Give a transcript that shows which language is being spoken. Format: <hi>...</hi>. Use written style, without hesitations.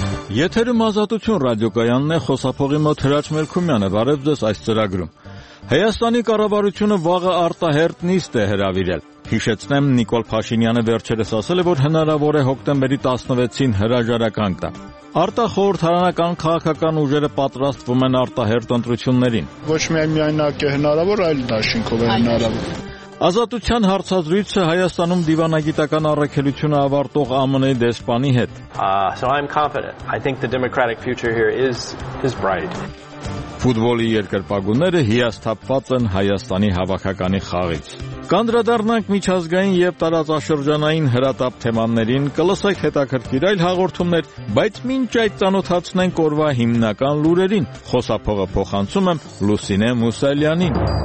<hy>Եթերի մազատություն ռադիոկայանն է, խոսափողի մոտ Հրաչ Մելքումյանը, բարև ձեզ այս ծրագրում։ Հայաստանի կառավարությունը վաղը արտահերտ նիստ է հրավիրել։ Հիշեցնեմ, Նիկոլ Փաշինյանը վերջերս ասել է, որ հնարավոր է հոկտեմբերի 16-ին հրաժարական տա։ Արտախորհրդարանական քաղաքական ուժերը պատրաստվում են արտահերտ ընտրություններին։ Ոչ միայնակ է հնարավոր, այլ նաշինքով է հնարավոր։ Ազատության հարցազրույցը Հայաստանում դիվանագիտական առաքելությունը ավարտող ԱՄՆ-ի դեսպանի հետ։</hy> <en>So I'm confident. I think the democratic future here is bright.</en> <hy>Ֆուտբոլի երկրպագունները հիասթափված են Հայաստանի հավաքականի խաղից։ Կանդրադառնանք միջազգային եւ տարածաշրջանային հրատապ թեմաներին, կլսենք հետաքրքիր այլ հաղորդումներ, բայց մինչ այդ ծանոթացնենք օրվա հիմնական լուրերին։ Խոսափողը փոխանցում եմ Լուսինե Մուսալյանին։</hy>